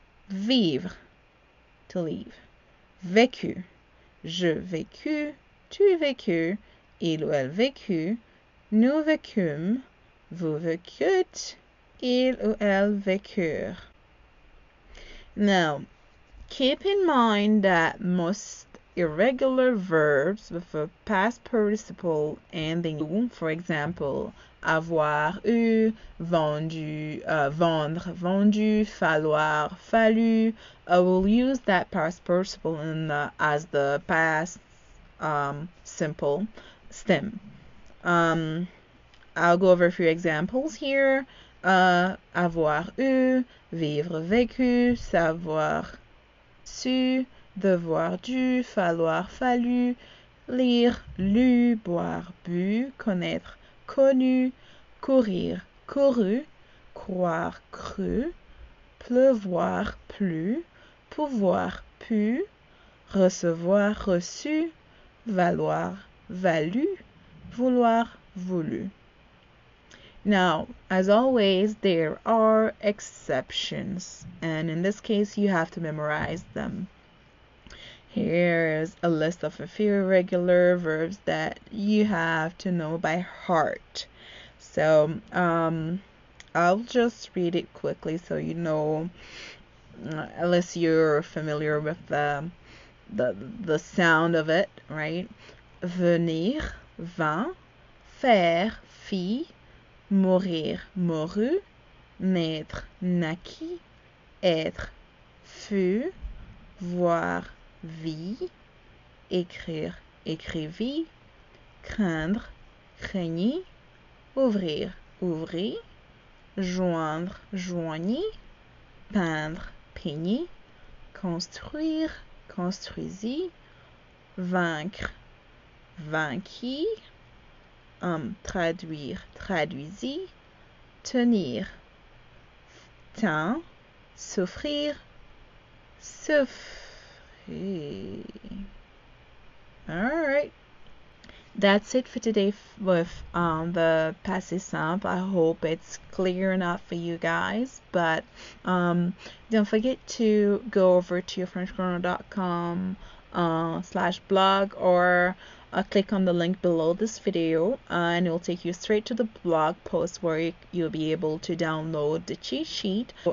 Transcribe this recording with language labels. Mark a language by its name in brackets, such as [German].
[French] Vivre, to live. Vécu, je vécu, tu vécu, il ou elle vécu, nous vécûmes, vous vécûtes, il ou elle vécurent. [English] Now, keep in mind that most irregular verbs with a past participle ending, for example, avoir, eu, vendu, vendre, vendu, falloir, fallu, will use that past participle in the, as the past simple stem. I'll go over a few examples here. [French] Avoir eu, vivre vécu, savoir su, devoir dû, falloir fallu, lire lu, boire bu, connaître connu, courir couru, croire cru, pleuvoir plu, pouvoir pu, recevoir reçu, valoir valu, vouloir voulu. [English] Now, as always, there are exceptions, and in this case, you have to memorize them. Here's a list of a few irregular verbs that you have to know by heart. So, I'll just read it quickly so you know, unless you're familiar with the sound of it, right? [French] Venir, vin, faire, fit. Mourir, mouru, naître, naquit, être, fut, voir, vit, écrire, écrivit, craindre, craignit, ouvrir, ouvrit, joindre, joignit, peindre, peignit, construire, construisit, vaincre, vainquit, traduire, traduisit, tenir, tint, souffrir, souffrir. [English] Alright. That's it for today with the passé simple. I hope it's clear enough for you guys. But don't forget to go over to FrenchCorner.com /blog or click on the link below this video and it will take you straight to the blog post where you'll be able to download the cheat sheet.